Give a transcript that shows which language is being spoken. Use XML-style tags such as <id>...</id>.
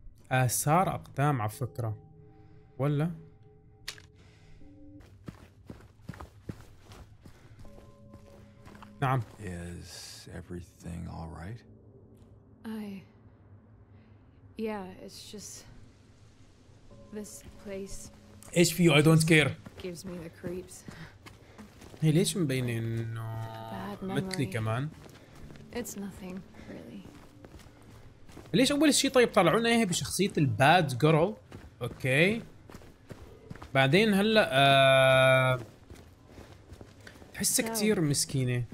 <ar>آثار أقدام على فكرة ولا؟ نعم.</ar> <en>Is everything all right? I. Yeah, it's just this place.</en> <ar>ايش في؟</ar> <en>I don't care. Gives me the creeps.</en> <ar>هي ليش مبينة إنه مثلي كمان؟</ar> <en>It's nothing really.</en> <ar>ليش أول شيء طيب طلعونا إياها بشخصية الباد جيرل؟ أوكي. بعدين هلا تحس كثير مسكينة.</ar>